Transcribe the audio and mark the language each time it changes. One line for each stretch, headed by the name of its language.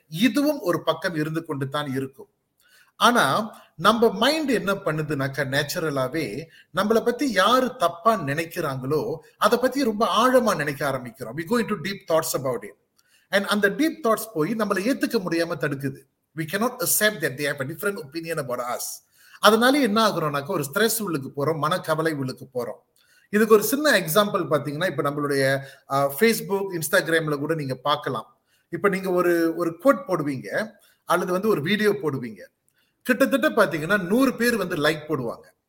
Tamil: இதுவும் ஒரு பக்கம் இருந்து கொண்டு தான் இருக்கும். ஆனா நம்ம மைண்ட் என்ன பண்ணுதுனாக்கா நேச்சுரலாவே நம்மளை பத்தி யாரு தப்பா நினைக்கிறாங்களோ அதை பத்தி ரொம்ப ஆழமா நினைக்க ஆரம்பிக்கிறோம்.
English: We go into deep thoughts about it. And
Tamil: அந்த டீப் தாட்ஸ் போய் நம்மளை ஏத்துக்க முடியாம தடுக்குது.
English: We cannot accept that they have a different opinion about us.
Tamil: அதனால என்ன ஆகுறோம்னாக்க ஒரு ஸ்ட்ரெஸ் உள்ளுக்கு போறோம், மனக்கவலை உள்ளுக்கு போறோம். இதுக்கு ஒரு சின்ன எக்ஸாம்பிள் பாத்தீங்கன்னா இப்ப நம்மளுடைய ஃபேஸ்புக் இன்ஸ்டாகிராம்ல கூட நீங்க பார்க்கலாம். இப்ப நீங்க ஒரு ஒரு கோட் போடுவீங்க அல்லது வந்து ஒரு வீடியோ போடுவீங்க, கிட்டத்தட்ட பாத்தீங்கன்னா 100 பேர் வந்து லைக் போடுவாங்க.